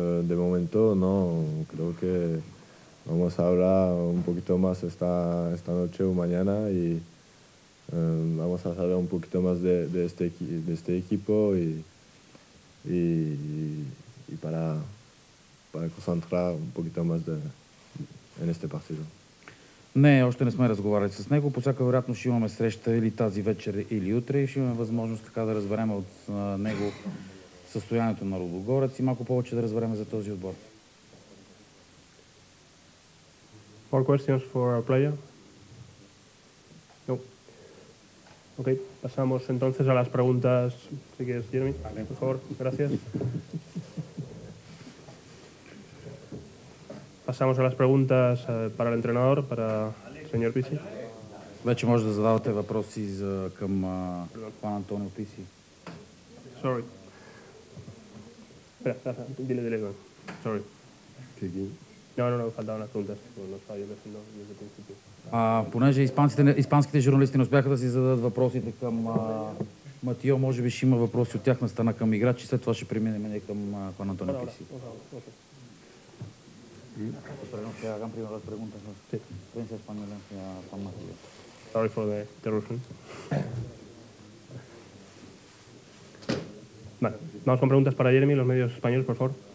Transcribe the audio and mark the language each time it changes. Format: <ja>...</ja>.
<es>De momento no, creo que vamos a hablar un poquito más esta noche o mañana y vamos a saber un poquito más de este equipo y para concentrar un poquito más en este partido.</es> <bg>Не, още не сме разговаряли с него. По всяка вероятност ще имаме среща или тази вечер, или утре и ще имаме възможност така да разберем от него състоянието на Лудогорец и малко повече да разберем за този отбор.</bg> <en>More questions for our player? No.</en> <es>Okay, pasamos entonces a las preguntas. Si quieres, Jeremy, Vale. por favor, gracias. Pasamos a las preguntas para el entrenador, para el señor Pisi.</es> <bg>Вече може да задавате въпроси към Juan Antonio Pisi.</bg> <en>Sorry.</en> <es>Espera, dile, dile, Juan.</es> <en>Sorry.</en> <es>¿Qué? No, no, no, faltaban las preguntas. No estaba yo diciendo desde el principio.</es> <bg>Понеже испанските журналисти не успяха да си зададат въпросите към Матио, може би ще има въпроси от тяхна страна към играчи, след това ще преминем към Juan Antonio Pisi.</bg> <es>Esperemos que hagan primero las preguntas a la prensa española y a Juan Matías.</es> <en>Sorry for the interruption.</en> <es>Vale, vamos con preguntas para Jeremy, los medios españoles, por favor.</es>